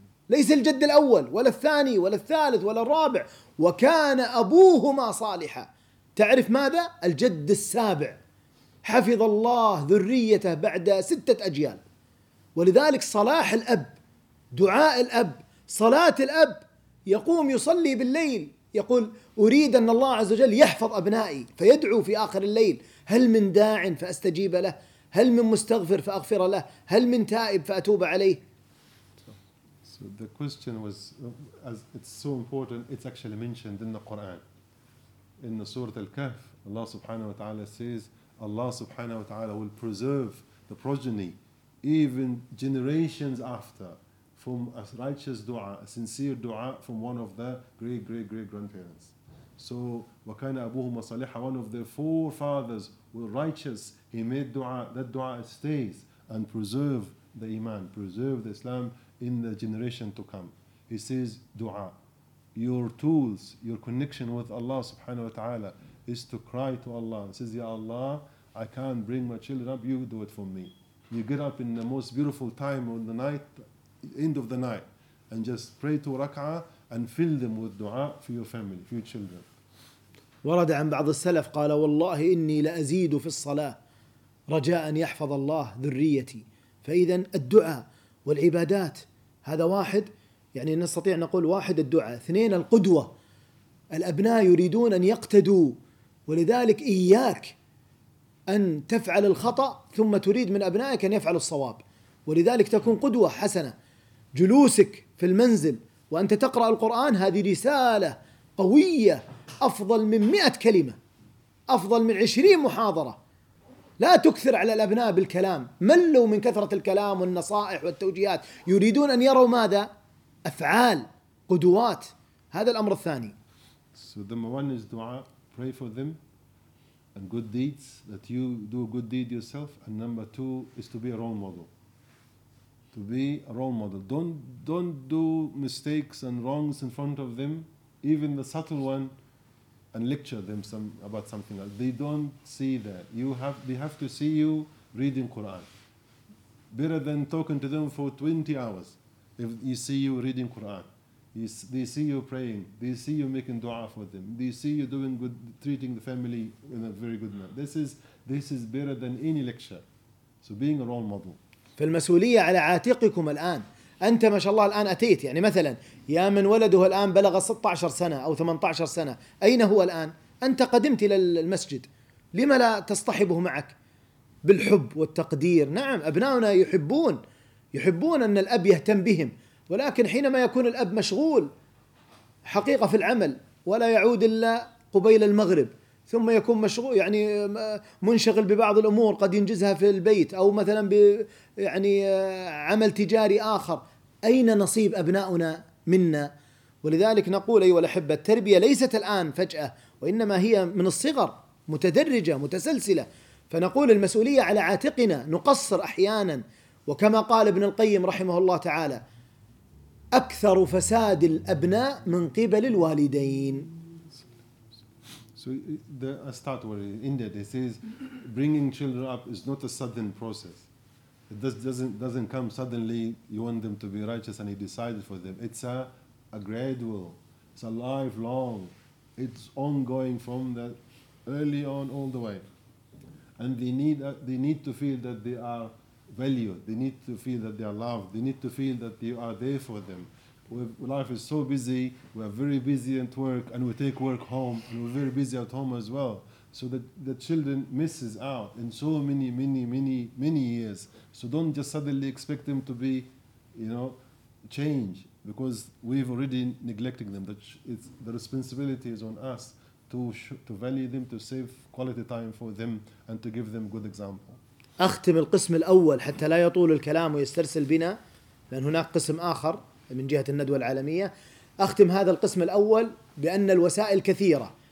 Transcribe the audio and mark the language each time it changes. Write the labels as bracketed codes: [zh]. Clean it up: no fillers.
[ar] ليس الجد الأول ولا الثاني ولا الثالث ولا الرابع وكان أبوهما صالحا تعرف ماذا؟ الجد السابع حفظ الله ذريته بعد ستة أجيال ولذلك صلاح الأب دعاء الأب صلاة الأب يقوم يصلي بالليل يقول أريد أن الله عز وجل يحفظ أبنائي فيدعو في آخر الليل هل من داع فأستجيب له؟ هل من مستغفر فأغفر له؟ هل من تائب فأتوب عليه؟ [en] So the question was, as it's so important, it's actually mentioned in the Quran. In the Surah Al-Kahf, Allah subhanahu wa ta'ala says, Allah subhanahu wa ta'ala will preserve the progeny, even generations after, from a righteous dua, a sincere dua from one of the great, great, great grandparents. So, [ar] وَكَانَ أَبُوهُمَ صَلِحًا [en] One of their forefathers were righteous. He made dua. That dua stays and preserve the iman, preserve the Islam in the generation to come. He says, dua. Your tools, your connection with Allah subhanahu wa ta'ala is to cry to Allah. He says, Ya Allah, I can't bring my children up. You do it for me. You get up in the most beautiful time of the night, end of the night, and just pray to rak'ah, and fill them with dua for your family, for your children. [ar] ورد عن بعض السلف قال والله إني لأزيد في الصلاة رجاء أن يحفظ الله ذريتي. ف فإذا الدعاء والعبادات هذا واحد، يعني نستطيع نقول واحد الدعاء، اثنين القدوة، الأبناء يريدون أن يقتدوا، ولذلك إياك أن تفعل الخطأ ثم تريد من أبنائك أن يفعل الصواب، ولذلك تكون قدوة حسنة. جلوسك في المنزل وأنت تقرأ القرآن هذه رسالة قوية، أفضل من 100 كلمة، أفضل من 20 محاضرة. لا تكثر على الأبناء بالكلام، ملوا من كثرة الكلام والنصائح والتوجيهات، يريدون أن يروا ماذا؟ أفعال، قدوات. هذا الأمر الثاني. [en] So the one is dua, pray for them and good deeds, that you do a good deed yourself. And number two is to be a role model. To be a role model. Don't do mistakes and wrongs in front of them, even the subtle one, and lecture them some about something else. They don't see that. They have to see you reading Quran. Better than talking to them for 20 hours, if you see you reading Quran. They see you praying. They see you making dua for them. They see you doing good, treating the family in a very good manner. This is better than any lecture. So being a role model. [ar] فالمسؤولية على عاتقكم الآن. أنت ما شاء الله الآن أتيت، يعني مثلا يا من ولده الآن بلغ 16 سنة أو 18 سنة، أين هو الآن؟ أنت قدمت إلى المسجد، لما لا تصطحبه معك بالحب والتقدير؟ نعم أبناؤنا يحبون أن الأب يهتم بهم، ولكن حينما يكون الأب مشغول حقيقة في العمل ولا يعود إلا قبيل المغرب، ثم يكون مشغول يعني منشغل ببعض الأمور قد ينجزها في البيت، أو مثلا يعني عمل تجاري آخر، أين نصيب أبناؤنا منا؟ ولذلك نقول أيها الأحبة، التربية ليست الآن فجأة، وإنما هي من الصغر متدرجة متسلسلة. فنقول المسؤولية على عاتقنا، نقصر أحيانا، وكما قال ابن القيم رحمه الله تعالى، أكثر فساد الأبناء من قبل الوالدين. [en] So I start where in India they say bringing children up is not a sudden process. It doesn't come suddenly. You want them to be righteous and he decided for them. It's a gradual. It's a lifelong. It's ongoing from the early on all the way. And they need to feel that they are valued. They need to feel that they are loved. They need to feel that you are there for them. Life is so busy, we are very busy at work, and we take work home, and we're very busy at home as well. So that the children misses out in so many, many, many, many years. So don't just suddenly expect them to be, you know, change, because we've already neglecting them. The responsibility is on us to value them, to save quality time for them, and to give them good example. [ar] أختم القسم الأول حتى لا يطول الكلام ويسترسل بنا، لأن هناك قسم آخر من جهة الندوة العالمية. أختم هذا القسم الأول بأن الوسائل كثيرة.